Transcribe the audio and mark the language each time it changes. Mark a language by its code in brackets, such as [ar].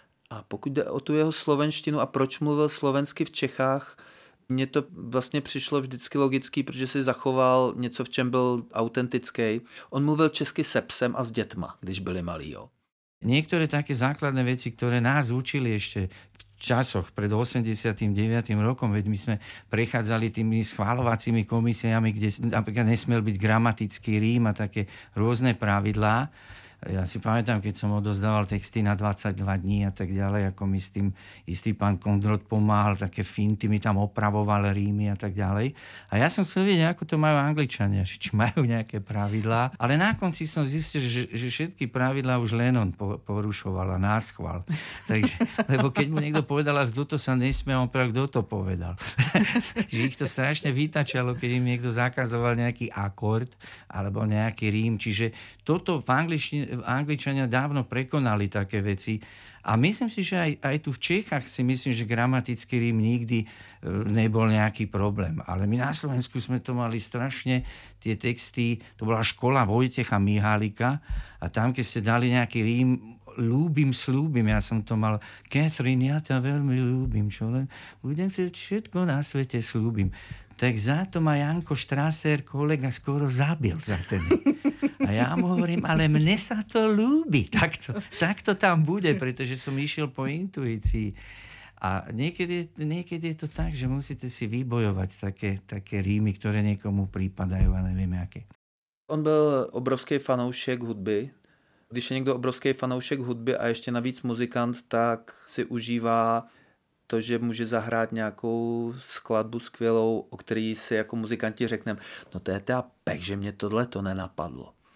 [cs] A pokud jde o tu jeho slovenštinu a proč mluvil slovensky v Čechách, mně to vlastně přišlo vždycky logický, protože si zachoval něco, v čem byl autentický. On mluvil česky se psem a s dětma, když byli malí. [sk] Některé také základné věci, které nás učili ještě v časoch, pred 89. rokom, veď my sme prechádzali tými schvaľovacími komisiami, kde napríklad nesmiel byť gramatický rím a také rôzne pravidlá. Ja si pamätám, keď som odozdával texty na 22 dní a tak ďalej, ako mi s tým istý pán Kondrot pomáhal, také finty mi tam opravoval rímy a tak ďalej. A ja som chcel vedieť, ako to majú Angličania, či majú nejaké pravidlá. Ale na konci som zistil, že všetky pravidlá už Lennon porušoval a náschval. Takže, lebo keď mu niekto povedal, že kto to sa nesmie, on povedal, kto to povedal. Že ich to strašne vytačalo, keď im niekto zakazoval nejaký akord alebo nejaký rím. Čiže toto v angličtine Angličania dávno prekonali také veci. A myslím si, že aj tu v Čechách si myslím, že gramatický rím nikdy nebol nejaký problém. Ale my na Slovensku sme to mali strašne, tie texty, to bola škola Vojtecha Mihalika a tam, keď ste dali nejaký rím, ľúbim, slúbim, ja som to mal, Catherine, ja ťa veľmi ľúbim, čo len, budem si všetko na svete slúbim. Tak za to ma Janko Strasser, kolega, skoro zabil za ten. A ja mu hovorím, ale mne sa to ľúbi, tak to tam bude, pretože som išiel po intuícii. A niekedy je to tak, že musíte si vybojovať také rímy, ktoré niekomu prípadajú a neviem aké. [cs] On bol obrovský fanoušek hudby. Když je [sk] niekto [cs] obrovský fanoušek hudby a [sk] ešte [cs] navíc muzikant, tak si užívá to, že může zahrát nějakou skladbu skvělou, o který si jako muzikanti řekneme, no to je teda pek, že mě tohle to nenapadlo.